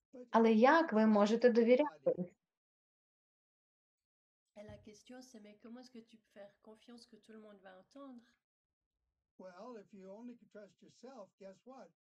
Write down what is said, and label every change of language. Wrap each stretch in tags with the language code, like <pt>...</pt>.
<uk>Але як ви можете довіряти?</uk> <fr>La question c'est mais comment est-ce que tu peux faire confiance que tout le monde va entendre?</fr> <en>Well, if you only can trust yourself, guess what?</en>